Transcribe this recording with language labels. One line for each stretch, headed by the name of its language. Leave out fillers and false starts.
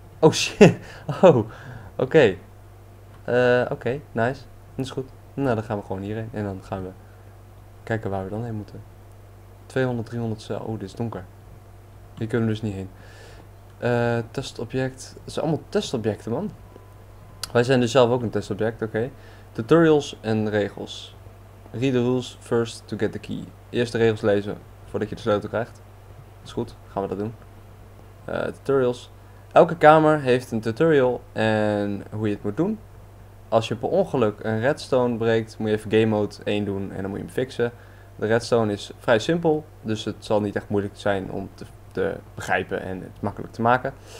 English: Oh shit.
Dutch: Oh. Oké. Okay. Oké. Nice. Dat is goed. Nou, dan gaan we gewoon hierheen. En dan gaan we... kijken waar we dan heen moeten. 200, 300 cel. Oh, dit is donker. Hier kunnen we dus niet heen. Testobject. Het zijn allemaal testobjecten, man. Wij zijn dus zelf ook een testobject, oké. Okay. Tutorials en regels.
English: Read the rules first to get the key.
Dutch: Eerst de regels lezen voordat je de sleutel krijgt. Dat is goed, gaan we dat doen. Tutorials. Elke kamer heeft een tutorial en hoe je het moet doen. Als je per ongeluk een redstone breekt, moet je even game mode 1 doen en dan moet je hem fixen. De redstone is vrij simpel, dus het zal niet echt moeilijk zijn om te begrijpen en het makkelijk te maken.